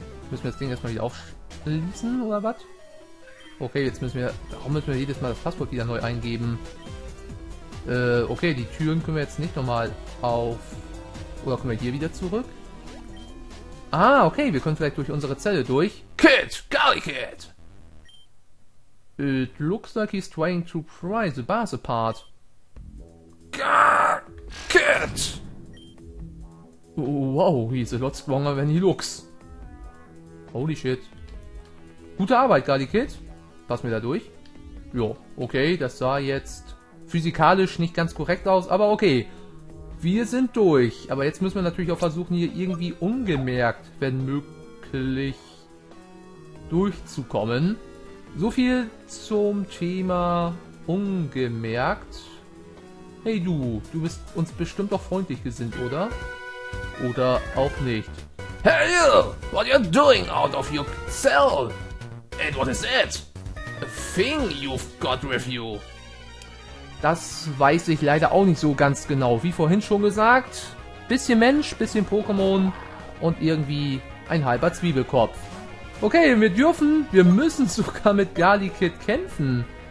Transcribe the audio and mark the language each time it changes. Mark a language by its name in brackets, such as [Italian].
[German] Müssen wir das Ding erstmal wieder aufschließen, oder was? Okay, jetzt müssen wir. Warum müssen wir jedes Mal das Passwort wieder neu eingeben? Okay, die Türen können wir jetzt nicht nochmal auf. Oder können wir hier wieder zurück? Ah, okay, wir können vielleicht durch unsere Zelle durch. [English] Kid, Golly Kid! It looks like he's trying to pry the bars apart. Gah! Kid! Wow, he's a lot stronger than he looks. Holy shit. [German] Gute Arbeit, Golly Kid. Pass mir da durch. Jo, okay, das sah jetzt physikalisch nicht ganz korrekt aus, aber okay. Wir sind durch, aber jetzt müssen wir natürlich auch versuchen, hier irgendwie ungemerkt, wenn möglich, durchzukommen. So viel zum Thema ungemerkt. Hey du bist uns bestimmt auch freundlich gesinnt, oder? Oder auch nicht. [English] Hey you, what are you doing out of your cell? And what is it? A thing you've got with you. [German] Das weiß ich leider auch nicht so ganz genau. Wie vorhin schon gesagt, bisschen Mensch, bisschen Pokémon und irgendwie ein halber Zwiebelkopf. Okay, wir müssen sogar mit Golly Kid kämpfen.